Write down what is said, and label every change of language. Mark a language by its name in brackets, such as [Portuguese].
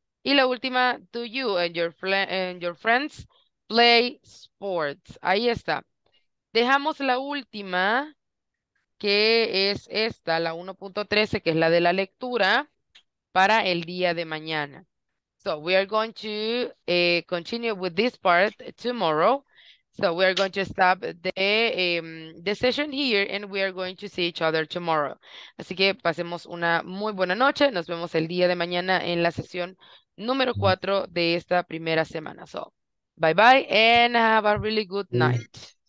[Spanish] Y la última, [English] do you and your friends play sports? [Spanish] Ahí está. Dejamos la última, que es esta, la 1.13, que es la de la lectura, para el día de mañana. [English] So we are going to continue with this part tomorrow. So we are going to stop the session here and we are going to see each other tomorrow. [Spanish] Así que pasemos una muy buena noche. Nos vemos el día de mañana en la sesión número 4 de esta primera semana. [English] So bye bye and have a really good night.